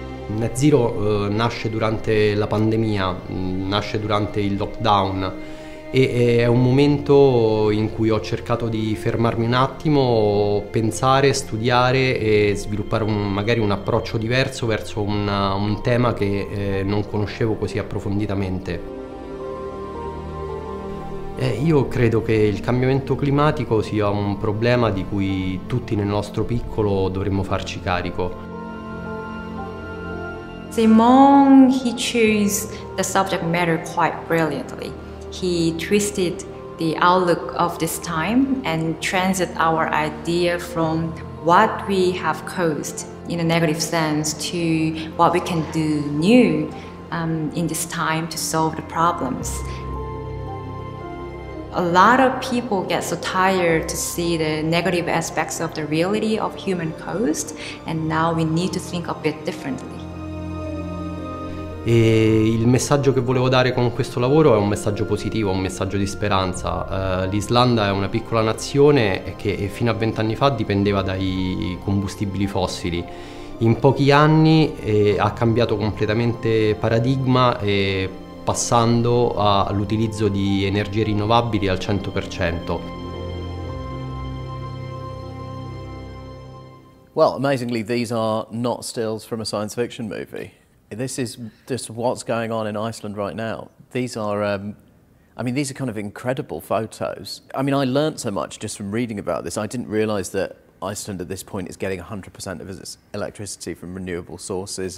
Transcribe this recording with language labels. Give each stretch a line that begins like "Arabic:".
Italian: Net Zero nasce durante la pandemia, nasce durante il lockdown e è un momento in cui ho cercato di fermarmi un attimo, pensare, studiare e sviluppare magari un approccio diverso verso un tema che non conoscevo così approfonditamente. Io credo che il cambiamento climatico sia un problema di cui tutti nel nostro piccolo dovremmo farci carico.
English: Simon, he chose the subject matter quite brilliantly. He twisted the outlook of this time and transit our idea from what we have caused in a negative sense to what we can do new in this time to solve the problems. A lot of people get so tired to see the negative aspects of the reality of human caused, and now we need to think a bit differently.
Italian: E il messaggio che volevo dare con questo lavoro è un messaggio positivo, un messaggio di speranza. L'Islanda è una piccola nazione che fino a 20 anni fa dipendeva dai combustibili fossili. In pochi anni ha cambiato completamente paradigma passando all'utilizzo di energie rinnovabili al 100%.
English: Well, amazingly, these are not stills from a science fiction movie. This is just what's going on in Iceland right now. These are, I mean, these are kind of incredible photos. I mean, I learned so much just from reading about this. I didn't realize that Iceland at this point is getting 100% of its electricity from renewable sources.